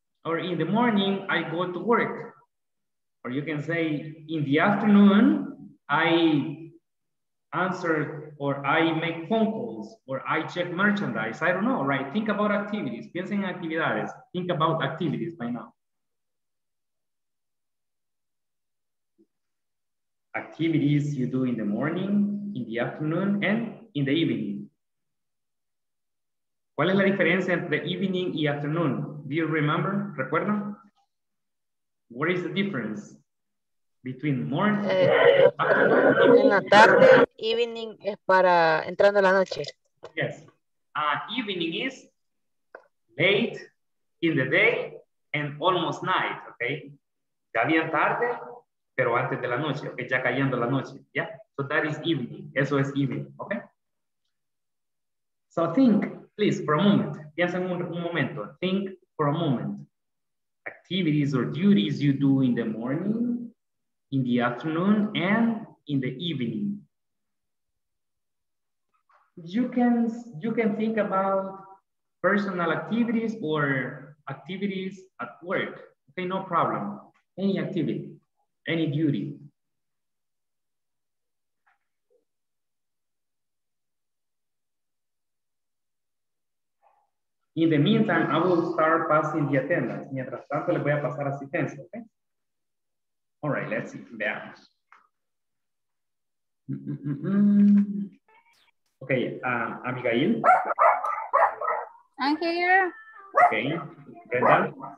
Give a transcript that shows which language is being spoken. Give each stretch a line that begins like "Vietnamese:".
English: Or in the morning, I go to work. Or you can say, in the afternoon, I answer, or I make phone calls, or I check merchandise. I don't know, right? Think about activities.
Spanish: Piensen en actividades.
English: Think about activities by now. Activities you do in the morning, in the afternoon, and in the evening.
Spanish: ¿Cuál es la diferencia entre evening y afternoon?
English: Do you remember?
Spanish: ¿Recuerda?
English: What is the difference between morning afternoon?
Spanish: En la tarde, evening es para entrando la noche.
English: Yes. Evening is late in the day and almost night, okay?
Spanish: Ya bien tarde, pero antes de la noche, okay, ya cayendo la noche, yeah?
English: So that is evening,
Spanish: eso es
English: evening, okay? So think, please, for a moment,
Spanish: piensen un momento,
English: think for a moment. Activities or duties you do in the morning, in the afternoon, and in the evening. You can think about personal activities or activities at work, okay, no problem, any activity. Any duty. In the meantime, I will start passing the attendance.
Spanish: Mientras tanto, le voy a pasar asistencia, okay?
English: All right, let's see,
Spanish: veamos.
English: Okay, Abigail. I'm here. Okay, Brenda.